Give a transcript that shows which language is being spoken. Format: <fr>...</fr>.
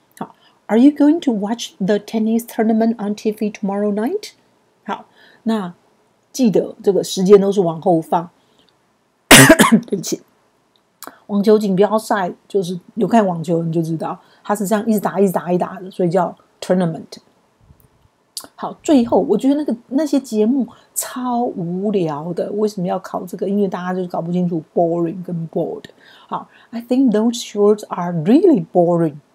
<en>好， Are you going to watch the tennis tournament on TV tomorrow night？ 好，</en> <zh>那记得这个时间都是往后放。对不起，网球锦标赛就是有看网球你就知道，它是这样一直打一直打一打的，所以叫 tournament。好，最后我觉得那些节目超无聊的，为什么要考这个？因为大家就是搞不清楚 boring 跟 bored。</zh> <en>好 ，I think those shows are really boring。</en>